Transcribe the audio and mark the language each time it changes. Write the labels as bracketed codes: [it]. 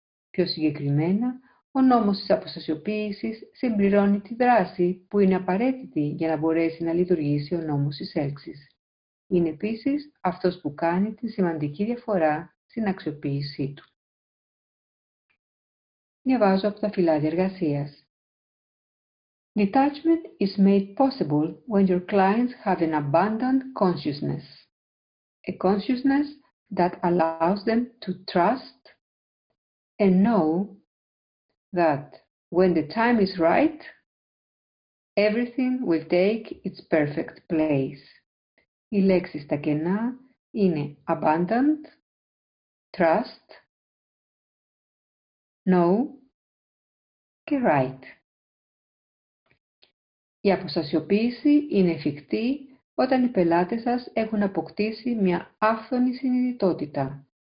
[el] Πιο συγκεκριμένα, ο νόμος της αποστασιοποίησης συμπληρώνει τη δράση που είναι απαραίτητη για να μπορέσει να λειτουργήσει ο νόμος της έλξης. Είναι επίσης αυτός που κάνει τη σημαντική διαφορά στην αξιοποίησή του. Διαβάζω από τα φυλάδια εργασίας. [en] Detachment is made possible when your clients have an abundant consciousness, a consciousness that allows them to trust and know that when the time is right, everything will take its perfect place. [el] Οι λέξεις στα κενά είναι abundant, trust, know και right. Η αποστασιοποίηση είναι εφικτή όταν οι πελάτες σας έχουν αποκτήσει μια άφθονη συνειδητότητα.